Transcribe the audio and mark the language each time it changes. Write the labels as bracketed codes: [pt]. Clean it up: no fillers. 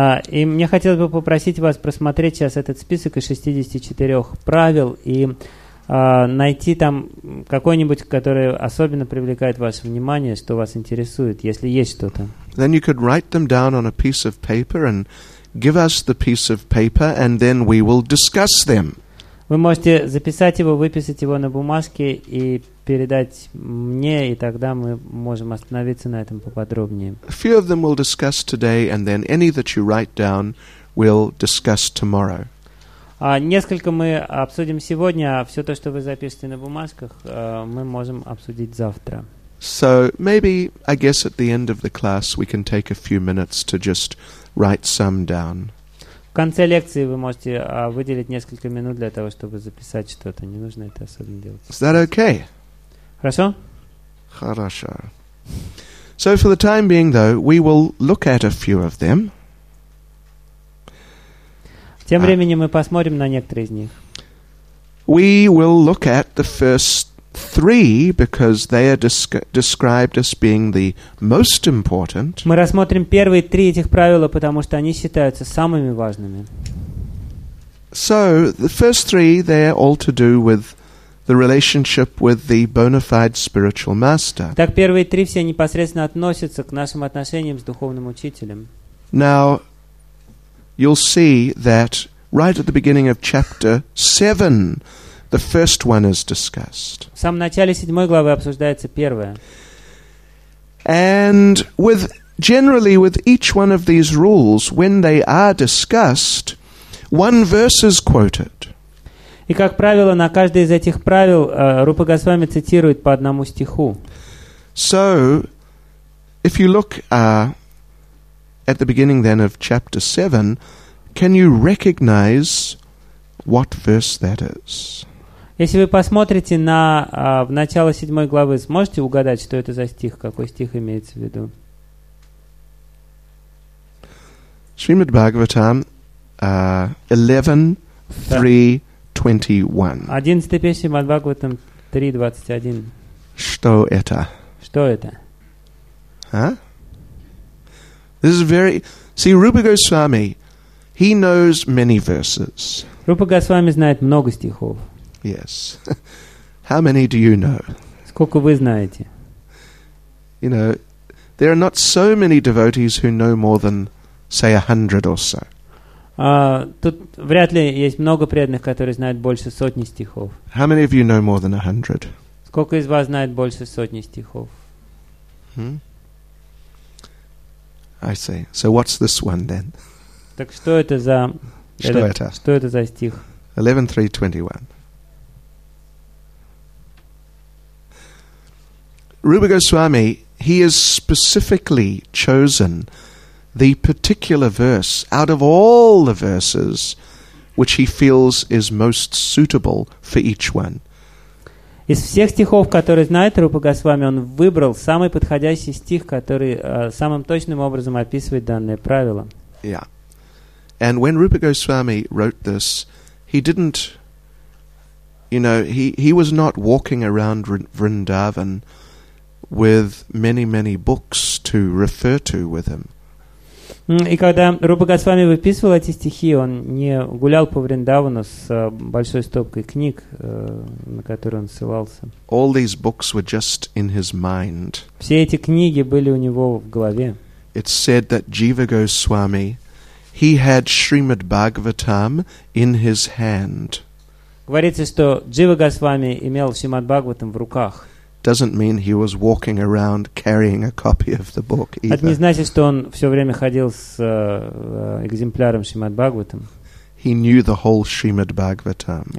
[ru] И мне хотелось бы попросить вас просмотреть сейчас этот список из 64 правил и найти там какое-нибудь, которое особенно привлекает ваше внимание, что вас интересует, если есть что-то. [en] Then you could write them down on a piece of paper and give us the piece of paper, and then we will discuss them. [ru] Вы можете записать его, выписать его на бумажке и передать мне, и тогда мы можем остановиться на этом поподробнее. [en] A few of them we'll discuss today, and then any that you write down, we'll discuss tomorrow. [ru] Несколько мы обсудим сегодня, а все то, что вы запишете на бумажках, мы можем обсудить завтра. [en] So maybe, I guess at the end of the class, we can take a few minutes to just write some down. [ru] В конце лекции вы можете выделить несколько минут для того, чтобы записать что-то. Не нужно это особенно делать. [en] Is that okay? [ru] Хорошо? Хорошо. [en] So for the time being, though, we will look at a few of them. [ru] Тем временем мы посмотрим на некоторые из них. [en] We will look at the first three, because they are described as being the most important. [ru] Мы рассмотрим первые три этих правила, потому что они считаются самыми важными. [en] So, the first three, they are all to do with the relationship with the bona fide spiritual master. [ru] Так, первые три все непосредственно относятся к нашим отношениям с духовным учителем. [en] Now, you'll see that right at the beginning of chapter 7, the first one is discussed. [ru] В самом начале седьмой главы обсуждается первая. [en] And with each one of these rules, when they are discussed, one verse is quoted. [ru] И как правило, на каждое из этих правил Рупа Госвами цитирует по одному стиху. [en] So, if you look at the beginning then of chapter 7, can you recognize what verse that is? [ru] Если вы посмотрите на в начало седьмой главы, сможете угадать, что это за стих, какой стих имеется в виду? [en] Shrimad Bhagavatam 11.3.21. [ru] 11 песня Shrimad Bhagavatam 3.21. Что это? Что это? [en] А? This is very... See, Rupa Goswami, he knows many verses. [ru] Rupa Goswami знает много стихов. [en] Yes. How many do you know? [ru] Сколько вы знаете? [en] You know, there are not so many devotees who know more than, say, 100 or so. [ru] Тут вряд ли есть много преданных, которые знают больше сотни стихов. [en] How many of you know more than 100? [ru] Сколько из вас знает больше сотни стихов? [en] I see. So what's this one then? [ru] Так что это за... Что это за стих? [en] 11.3.21. Rupa Goswami, he has specifically chosen the particular verse out of all the verses which he feels is most suitable for each one. [ru] Из всех стихов, которые знает Рупа Госвами, он выбрал самый подходящий стих, который самым точным образом описывает данное правило. [en] Yeah. And when Rupa Goswami wrote this, he didn't, you know, he was not walking around Vrindavan with many books to refer to with him. [ru] И когда Рупа Госвами выписывал эти стихи, он не гулял по Вриндавану с большой стопкой книг, на которые он ссылался. [en] All these books were just in his mind. [ru] Все эти книги были у него в голове. [en] It's said that Jiva Goswami, he had Srimad Bhagavatam in his hand. [ru] Говорится, что Джива Госвами имел Шримад Бхагаватам в руках. [en] Doesn't mean he was walking around carrying a copy of the book either. [ru] Это не значит, что он все время ходил с экземпляром Шримад Бхагаватам. [en] He knew the whole Srimad Bhagavatam.